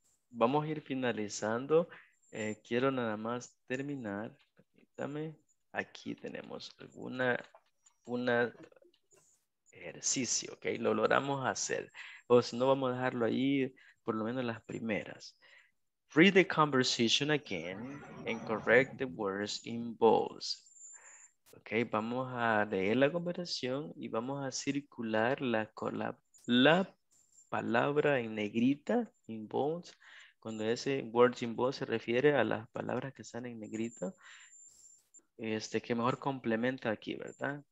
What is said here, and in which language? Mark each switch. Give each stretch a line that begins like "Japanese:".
Spanish: Vamos a ir finalizando. Quiero nada más terminar. Permítame. Aquí tenemos un ejercicio, ok. Lo logramos hacer. O si no, vamos a dejarlo ahí, por lo menos las primeras.
English: Read the conversation again and correct the words in bold.
Spanish: Ok, vamos a leer la conversación y vamos a circular la palabra en negrita,
English: in bold.
Spanish: Cuando ese words in bold se refiere a las palabras que están en negrita, que mejor complementa aquí, ¿verdad?